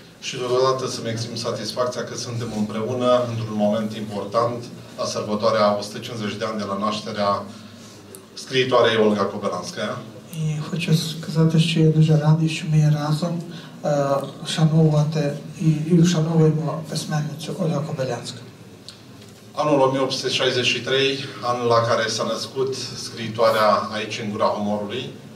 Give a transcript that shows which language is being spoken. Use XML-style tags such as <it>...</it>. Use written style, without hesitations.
<ro>Și deodată să-mi exprim satisfacția că suntem împreună într-un moment important la sărbătoarea 150 de ani de la nașterea scriitoarei Olga Kobelanskaya.</ro> <uk>Și хочу сказати, що я дуже радий, що ми разом вшановуємо письменницю Ольгу Кобилянську.</uk> <ro>Anul 1863, an la care s-a născut scriitoarea aici în Gura Humorului.</ro>